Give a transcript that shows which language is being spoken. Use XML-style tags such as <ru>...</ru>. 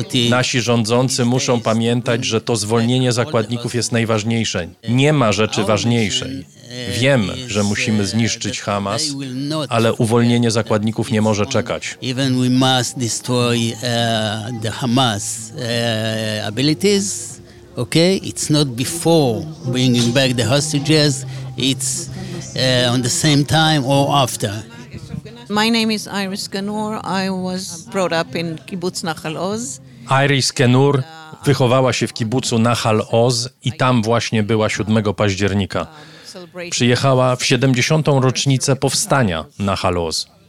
<pl>Nasi rządzący muszą pamiętać, że to zwolnienie zakładników jest najważniejsze. Nie ma rzeczy ważniejszej. Wiem, że musimy zniszczyć Hamas, ale uwolnienie zakładników nie może czekać.</pl> <en>Even we must destroy the Hamas abilities, okay? It's not before bringing back the hostages, it's on the same time or after. My name is Iris Kenur. I was brought up in Kibbutz Nachal Oz.</en> <pl>Iris Kenur wychowała się w kibucu Nachal Oz i tam właśnie była 7 października. Przyjechała w 70. rocznicę powstania na Nachal Oz.</pl>